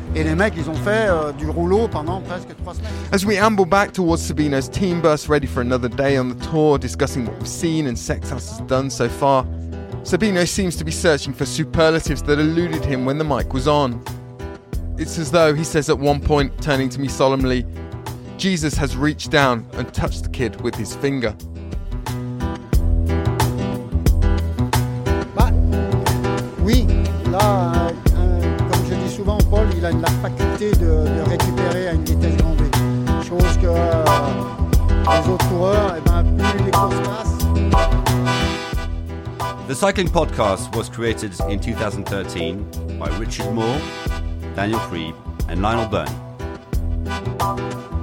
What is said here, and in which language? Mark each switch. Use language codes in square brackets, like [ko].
[fr] Et les mecs, ils ont fait du rouleau pendant presque 3 semaines. [en] As we amble back towards Sabino's team bus, ready for another day on the tour, discussing what we've seen and Sexhouse has done so far, Sabino seems to be searching for superlatives that eluded him when the mic was on. It's as though, he says at one point, turning to me solemnly, Jesus has reached down and touched the kid with his finger. [fr] Bah, oui, là, comme je dis souvent, Paul, il a la faculté de récupérer à une vitesse grand V. Chose que les autres coureurs, eh ben, plus les courses passent. [en] The Cycling Podcast was created in 2013 by Richard Moore, Daniel Freeb, and Lionel Byrne.